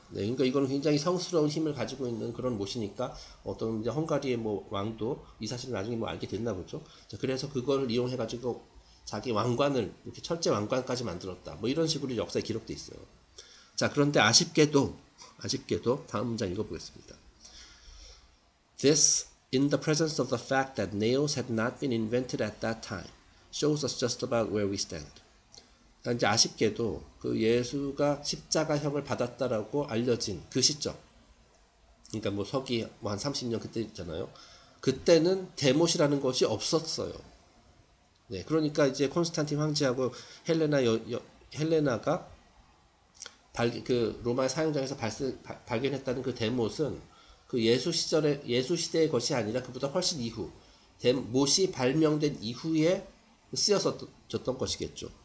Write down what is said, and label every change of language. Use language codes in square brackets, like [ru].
[ko] 네, 그러니까 이거는 굉장히 성스러운 힘을 가지고 있는 그런 못이니까 어떤 이제 헝가리의 뭐 왕도 이 사실을 나중에 뭐 알게 됐나 보죠. 자, 그래서 그걸 이용해가지고 자기 왕관을 이렇게 철제 왕관까지 만들었다. 뭐 이런 식으로 역사에 기록돼 있어요. 자, 그런데 아쉽게도 다음 문장 읽어보겠습니다. [en] This, in the presence of the fact that nails had not been invented at that time, shows us just about where we stand. [ko] 이제 아쉽게도 그 예수가 십자가형을 받았다라고 알려진 그 시점, 그러니까 뭐 서기 뭐 한 30년 그때 있잖아요. 그때는 대못이라는 것이 없었어요. 네, 그러니까 이제 콘스탄틴 황제하고 헬레나가 그 로마의 사형장에서 발견했다는 그 대못은 그 예수 시대의 것이 아니라 그보다 훨씬 이후, 대못이 발명된 이후에 쓰였었던 것이겠죠.